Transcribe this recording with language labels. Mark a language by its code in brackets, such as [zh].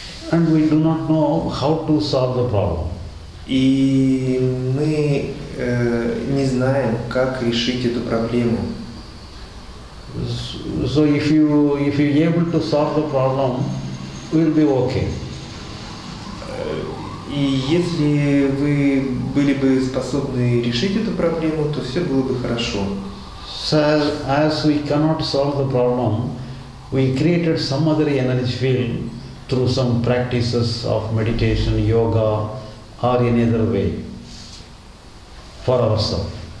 [en] And we do not know how to solve the problem. [ru] И мы не знаем, как решить эту проблему. [en] So if you able to solve the problem, we'll be okay. [ru] И если вы были бы способны решить эту проблему, то все было бы хорошо. [en] So as we cannot solve the problem, we created some other energy field through some practices of meditation, yoga, or any other way for ourselves.